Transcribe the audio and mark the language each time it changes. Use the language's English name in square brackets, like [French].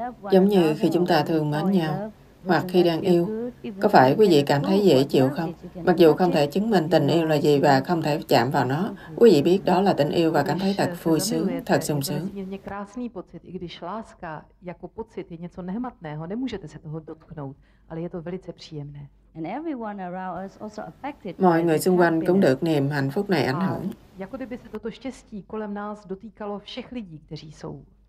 [Vietnamese] Giống như khi chúng ta thương mến nhau, hoặc khi đang yêu, có phải quý vị cảm thấy dễ chịu không? Mặc dù không thể chứng minh tình yêu là gì và không thể chạm vào nó, quý vị biết đó là tình yêu và cảm thấy thật vui sướng, thật sung sướng. [Czech] Je to krásný pocit, i když láska jako pocit je něco nehmatného, nemůžete se toho dotknout, ale je to velice příjemné. [English] And everyone around us also affected. [Vietnamese] Mọi người xung quanh cũng được niềm hạnh phúc này ảnh hưởng. [Czech] Jako kdyby se toto štěstí kolem nás dotýkalo všech lidí, kteří jsou.